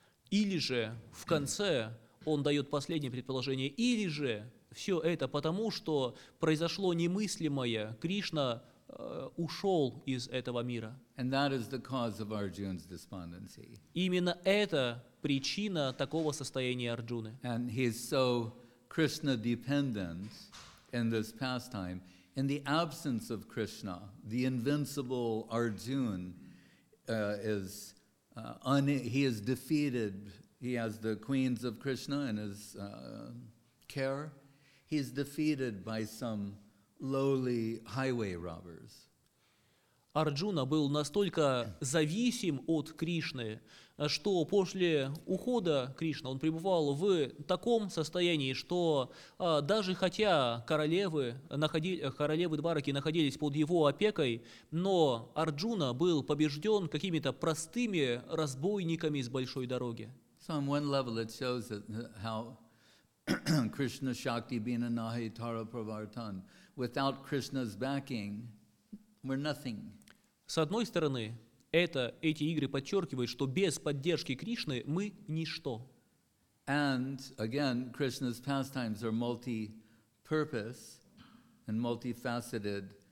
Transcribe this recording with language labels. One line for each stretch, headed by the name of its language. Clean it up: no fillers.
Russian: Или же в конце он дает последнее предположение, или же все это потому, что произошло немыслимое, Кришна ушел из этого мира.
English: And that is the cause of Arjuna's despondency.
Russian: Именно это причина такого состояния Арджуны.
English: And he is so Krishna-dependent in this pastime. In the absence of Krishna, the invincible Arjuna is defeated. He has the queens of Krishna in his care. He's defeated by some lowly highway robbers.
Russian: Арджуна был настолько зависим от Кришны, что после ухода Кришны он пребывал в таком состоянии, что даже хотя королевы Двараки находились под его опекой, но Арджуна был побежден какими-то простыми разбойниками с большой дороги.
English: So on one level it shows how
Bangla: Krishna Shakti Bina Nahi Tara Pravartan.
English: Without Krishna's backing, we're nothing.
Russian: С одной стороны, эти игры подчеркивают, что без поддержки Кришны мы ничто.
English: And again, Krishna's pastimes are multi-purpose and multifaceted.